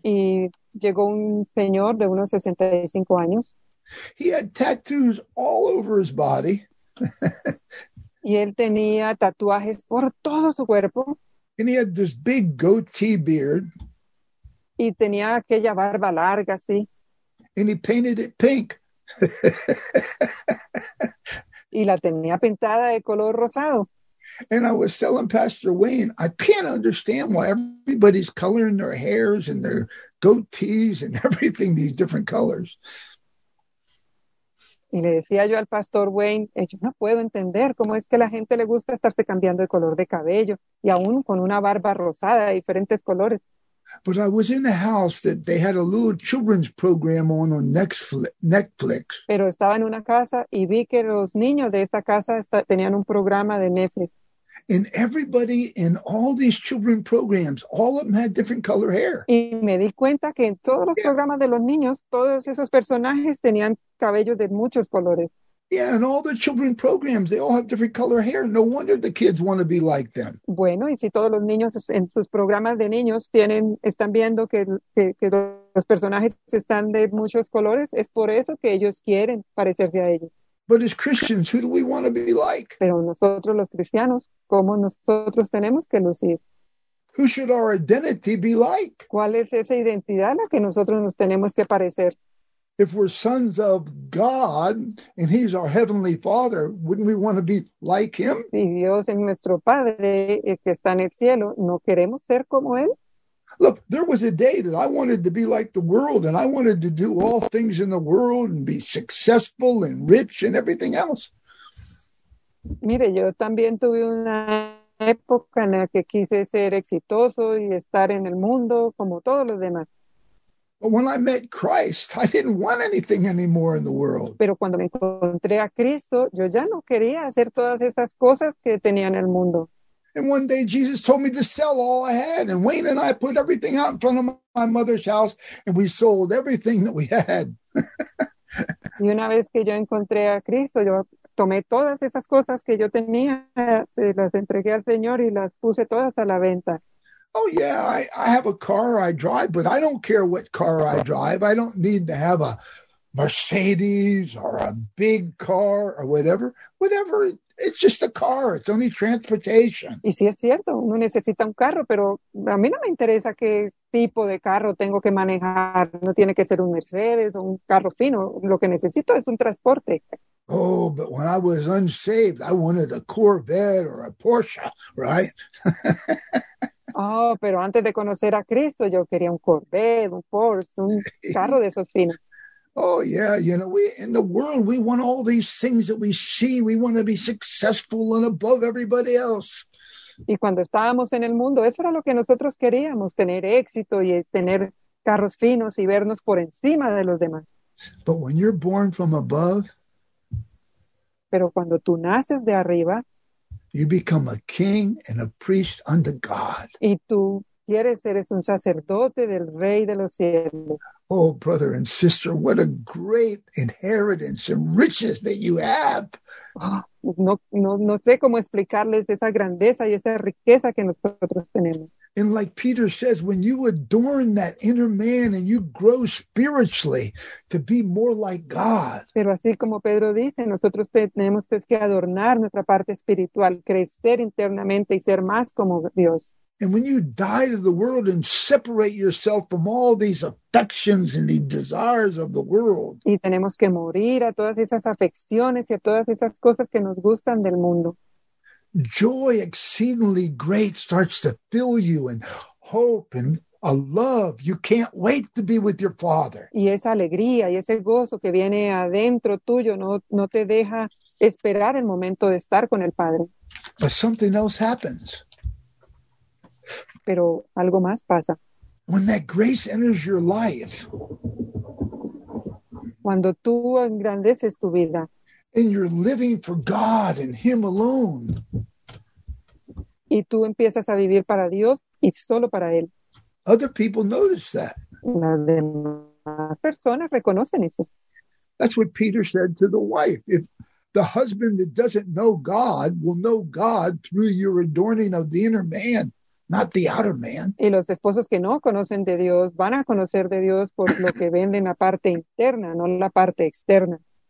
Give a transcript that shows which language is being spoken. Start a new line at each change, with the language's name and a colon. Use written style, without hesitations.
Spanish: Y llegó un señor de unos 65 años.
English: He had tattoos all over his body.
Spanish: Y él tenía tatuajes por todo su cuerpo.
English: And he had this big goatee beard.
Spanish: Y tenía aquella barba larga, sí.
English: And he painted it pink.
Spanish: Y la tenía pintada de color rosado.
English: And I was telling Pastor Wayne, I can't understand why everybody's coloring their hairs and their goatees and everything these different colors.
Spanish: Y le decía yo al pastor Wayne, yo no puedo entender cómo es que la gente le gusta estarse cambiando el color de cabello y aún con una barba rosada de diferentes colores.
English: But I was in a house that they had a little children's program on Netflix.
Spanish: Pero estaba en una casa y vi que los niños de esta casa tenían un programa de Netflix.
English: And everybody in all these children programs, all of them had different color hair.
Spanish: Y me di cuenta que en todos los programas de los niños, todos esos personajes tenían cabellos de muchos colores.
English: Yeah, and all the children programs, they all have different color hair. No wonder the kids want to be like them.
Spanish: Bueno, y si todos los niños en sus programas de niños tienen, están viendo que los personajes están de muchos colores, es por eso que ellos quieren parecerse a ellos.
English: But as Christians, who do we want to be like?
Spanish: Pero nosotros los cristianos, ¿cómo nosotros tenemos que lucir?
English: Who should our identity be like?
Spanish: ¿Cuál es esa identidad a la que nosotros nos tenemos que parecer?
English: If we're sons of God and He's our Heavenly Father, wouldn't we want to be like Him?
Spanish: Si Dios es nuestro Padre, el que está en el cielo, ¿no queremos ser como Él?
English: Look, there was a day that I wanted to be like the world and I wanted to do all things in the world and be successful and rich and everything else.
Spanish: Mire, yo también tuve una época en la que quise ser exitoso y estar en el mundo como todos los demás.
English: But when I met Christ, I didn't want anything anymore in the world.
Spanish: Pero cuando me encontré a Cristo, yo ya no quería hacer todas esas cosas que tenía en el mundo.
English: And one day Jesus told me to sell all I had. And Wayne and I put everything out in front of my mother's house. And we sold everything that we had.
Spanish: Y una vez que yo encontré a Cristo, yo tomé todas esas cosas que yo tenía, las entregué al Señor y las puse todas a la venta.
English: Oh, yeah, I have a car I drive, but I don't care what car I drive. I don't need to have a Mercedes or a big car or whatever. Whatever, it's just a car. It's only transportation.
Spanish: Y sí, es cierto, uno necesita un carro, pero a mí no me interesa qué tipo de carro tengo que manejar. No tiene que ser un Mercedes o un carro fino. Lo que necesito es un transporte.
English: Oh, but when I was unsaved, I wanted a Corvette or a Porsche, right?
Spanish: Oh, pero antes de conocer a Cristo, yo quería un Corvette, un Porsche, un carro de esos finos.
English: Oh, yeah, you know, we in the world, we want all these things that we see. We want to be successful and above everybody else.
Spanish: Y cuando estábamos en el mundo, eso era lo que nosotros queríamos, tener éxito y tener carros finos y vernos por encima de los demás.
English: But when you're born from above,
Spanish: pero cuando tú naces de arriba,
English: you become a king and a priest unto God.
Spanish: Y tú quieres ser un sacerdote del Rey de los Cielos.
English: Oh, brother and sister, what a great inheritance and riches that you have.
Spanish: No sé cómo explicarles esa grandeza y esa riqueza que nosotros tenemos.
English: And like Peter says, when you adorn that inner man and you grow spiritually to be more like God.
Spanish: Pero así como Pedro dice, nosotros tenemos que adornar nuestra parte espiritual, crecer internamente y ser más como Dios.
English: And when you die to the world and separate yourself from all these affections and the desires of the world.
Spanish: Y tenemos que morir a todas esas afecciones y a todas esas cosas que nos gustan del mundo.
English: Joy exceedingly great starts to fill you and hope and a love. You can't wait to be with your Father.
Spanish: Y esa alegría y ese gozo que viene adentro tuyo no te deja esperar el momento de estar con el Padre.
English: But something else happens.
Spanish: Pero algo más pasa.
English: When that grace enters your life.
Spanish: Cuando tú engrandeces tu vida.
English: And you're living for God and Him alone.
Spanish: Y tú empiezas a vivir para Dios y solo para Él.
English: Other people notice that.
Spanish: Las demás personas reconocen eso.
English: That's what Peter said to the wife. If the husband that doesn't know God will know God through your adorning of the inner man, not the outer man.
Spanish: Y los esposos que no conocen de Dios van a conocer de Dios por lo que venden la parte interna, no la parte externa.